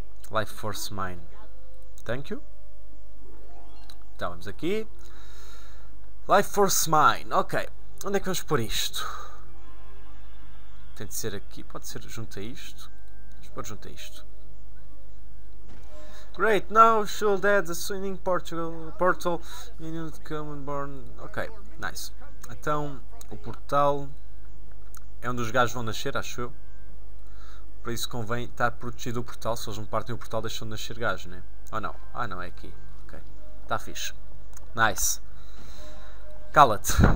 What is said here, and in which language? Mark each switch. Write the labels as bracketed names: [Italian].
[Portuguese] Life Force Mine. [English] Thank you. [Portuguese] Então, vamos aqui. Life Force Mine, ok. Onde é que vamos pôr isto? Tem de ser aqui, pode ser junto a isto. Vamos pôr junto a isto. [English] Great, now should add the swinging portal in the common barn. Ok, nice. [Portuguese] Então, o portal é onde os gajos vão nascer, acho eu. Por isso convém estar protegido o portal. Se eles não partem o portal, deixam de nascer gajos, né? Ou não? Ah, não, é aqui. Ok, está fixe. Nice. Cala-te.